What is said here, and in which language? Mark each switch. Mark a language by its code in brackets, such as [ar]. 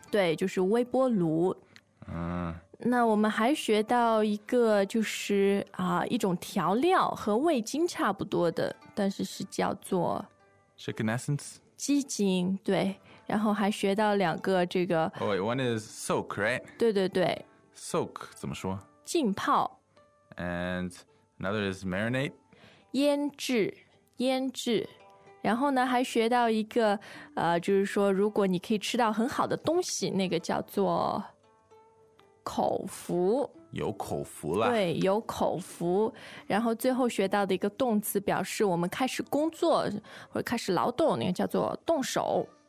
[zh] 对，就是微波炉。那我们还学到一个，就是一种调料，和味精差不多的，但是是叫做 [en] chicken essence, [zh] 鸡精。对，然后还学到两个这个。 [en] Oh, wait, one is soak, right? [zh] 对对对。 Soak 怎么说？浸泡。 [en] And another is marinate, [zh] 腌制，腌制。然后呢，还学到一个就是说，如果你可以吃到很好的东西，那个叫做口福。有口福了。对，有口福。然后最后学到的一个动词，表示我们开始工作或者开始劳动，那个叫做动手。